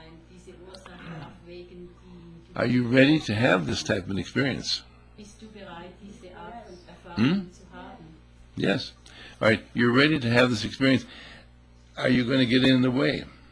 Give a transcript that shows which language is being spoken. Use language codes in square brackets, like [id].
[de] Diese Ursachen auf Wegen, die. [en] Are you ready to have this type of experience? [de] Bist du bereit, diese Art von Erfahrung? [en] Yes. All right. You're ready to have this experience. Are you going to get in the way?